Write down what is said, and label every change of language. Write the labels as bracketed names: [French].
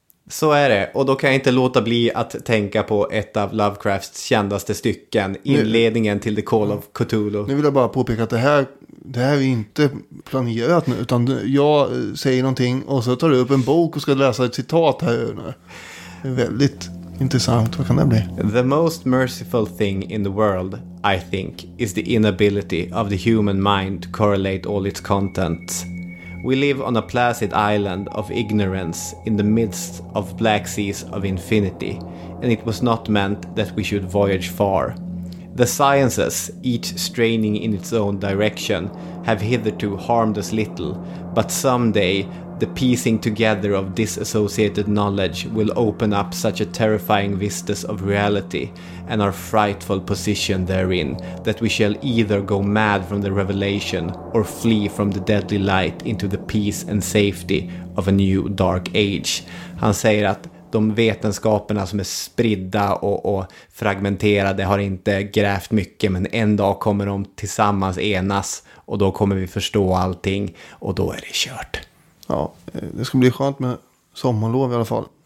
[Swedish] Så är det, och då kan jag inte låta bli att tänka på ett av Lovecrafts kändaste stycken, inledningen till The Call of Cthulhu. Nu vill jag bara påpeka att det här är inte planerat nu, utan jag säger någonting och så tar du upp en bok och ska läsa ett citat här. Det är väldigt intressant, vad kan det bli? [English] The most merciful thing in the world, I think, is the inability of the human mind to correlate all its contents. We live on a placid island of ignorance in the midst of black seas of infinity, and it was not meant that we should voyage far. The sciences, each straining in its own direction, have hitherto harmed us little, but someday the piecing together of disassociated knowledge will open up such a terrifying vistas of reality and our frightful position therein, that we shall either go mad from the revelation or flee from the deadly light into the peace and safety of a new dark age. [Swedish] Han säger att de vetenskaperna som är spridda och fragmenterade har inte grävt mycket, men en dag kommer de tillsammans enas och då kommer vi förstå allting och då är det kört. Ja, det ska bli skönt med sommarlov i alla fall.